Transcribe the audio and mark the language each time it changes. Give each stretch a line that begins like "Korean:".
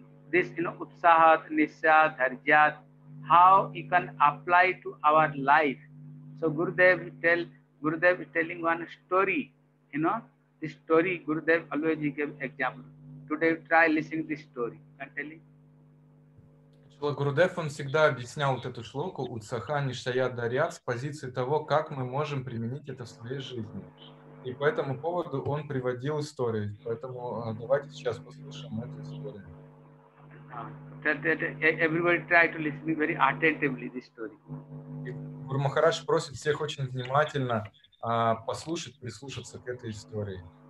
English: This, you know, utsahat, nisya, dharjat, how you can apply to our life. So Gurudev is telling one story, you know, this story Gurudev always he gave example. Today try listening this story. Can tell you?
Russian: Гурудев, он всегда объяснял вот эту шлоку «Уцаха ништая дарят» с позиции того, как мы можем применить это в своей жизни. И по этому поводу он приводил историю. Поэтому давайте сейчас послушаем эту историю.
English: Everybody try to listen very attentively this story.
Russian: Гуру Махарадж просит всех очень внимательно послушать, прислушаться к этой истории.